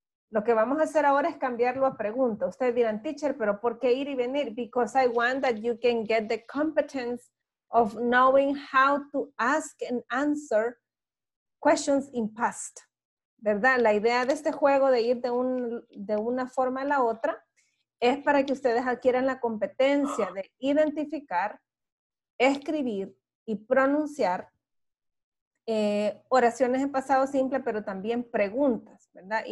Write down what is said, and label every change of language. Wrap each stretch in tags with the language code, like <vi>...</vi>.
<es>Lo que vamos a hacer ahora es cambiarlo a pregunta. Ustedes dirán, teacher, pero ¿por qué ir y venir?</es> <en>Because I want that you can get the competence of knowing how to ask and answer questions in past.</en> <es>¿Verdad? La idea de este juego de ir de una forma a la otra es para que ustedes adquieran la competencia de identificar, escribir y pronunciar oraciones en pasado simple, pero también preguntas, ¿verdad?</es>